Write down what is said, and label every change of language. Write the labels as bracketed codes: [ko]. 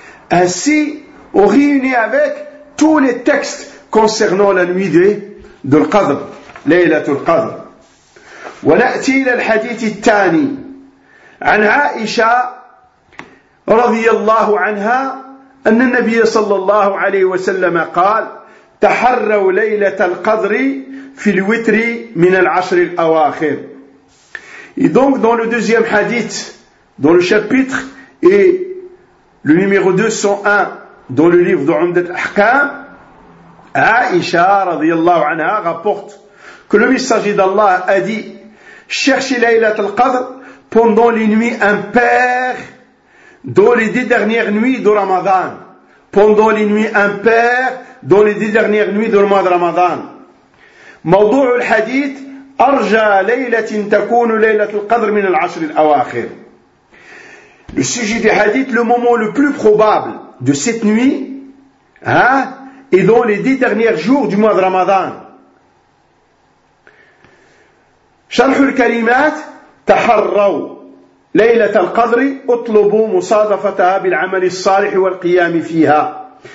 [fr] Ainsi, on réunit avec tous les textes concernant la nuit de l'Qadr, Laylatul Qadr. [ar] Wa na'ti ila al-hadith al-thani an Aisha radiyallahu anha أن النبي صلى الله عليه وسلم قال تحروا ليلة القدر في الوتر من العشر الأواخر. [fr] Et donc dans le deuxième hadith, dans le chapitre et le numéro 201 dans le livre d'Umdat al-Ahkam, Aïcha radiyallahu anha rapporte que le messager d'Allah a dit: cherchez Laylat al-Qadr pendant les nuits impaires dans les 10 dernières nuits de Ramadan. Pendant les nuits impaires dans les 10 dernières nuits du mois de Ramadan. [ar] موضوع الحديث أرجى ليلة تكون ليلة القدر من العشر الأواخر. [fr] Le sujet du hadith, le moment le plus probable de cette nuit, est dans les 10 derniers jours du mois de Ramadan. [ar] شرح الكلمات تحروا ليلة القدر اطلبوا مصادفتها بالعمل الصالح والقيام فيها.